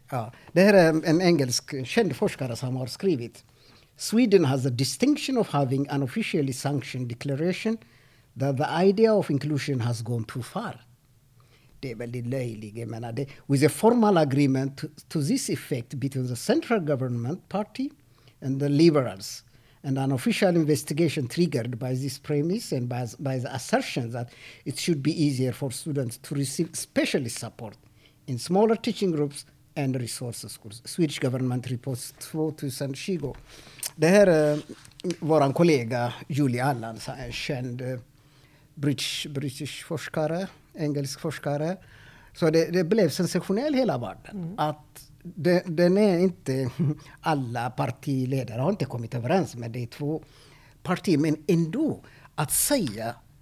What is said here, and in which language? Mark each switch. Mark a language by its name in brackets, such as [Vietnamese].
[Swedish] Ja, det här är en engelsk känd forskare som har skrivit. [English] Sweden has a distinction of having an officially sanctioned declaration that the idea of inclusion has gone too far. [Swedish] Det är väldigt löjligt, men det, [English] with a formal agreement to this effect between the central government party and the liberals, and an official investigation triggered by this premise and by the assertion that it should be easier for students to receive specialist support in smaller teaching groups and resources schools. Swedish government report 2020. [Swedish] Det här är vår kollega Julie Allan, en känd British forskare, engelsk forskare. Så det blev sensationellt hela världen. Mm. Att den är inte alla partiledare har inte kommit överens med de två partier, men ändå att säga